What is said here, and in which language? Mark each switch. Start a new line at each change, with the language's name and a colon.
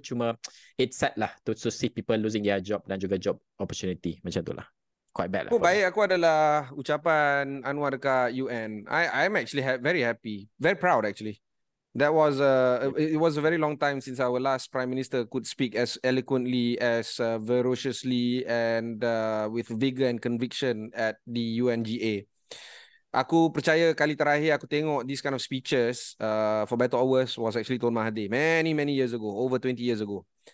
English: Cuma it's sad lah to see people losing their job
Malay: dan juga
English: job opportunity.
Malay: Macam tu lah. Quite bad. Aku baik, aku adalah ucapan Anwar dekat UN.
English: I'm actually very happy, very proud actually. That was it was a very long time since our last prime minister could speak as eloquently, as ferociously and with vigor and conviction at the UNGA.
Malay: Aku percaya kali terakhir aku tengok
English: this kind of speeches for better or worse was actually Tun Mahathir many years ago, over 20 years ago.